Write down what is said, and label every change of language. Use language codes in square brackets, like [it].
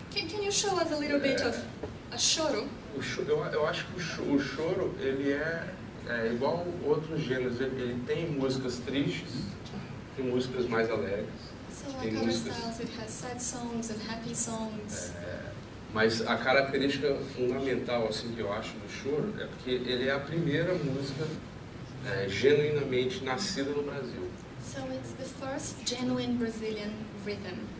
[en] Can you show us a little bit of a choro? [pt] Eu acho que o choro, ele é igual outros gêneros. Ele tem músicas tristes, tem músicas mais alegres. [en] So like other styles, it has sad songs and happy songs. [pt] Mas a característica fundamental, assim, que eu acho do choro, é porque ele é a primeira música genuinamente nascida no Brasil. [en] So it's the first genuine Brazilian rhythm.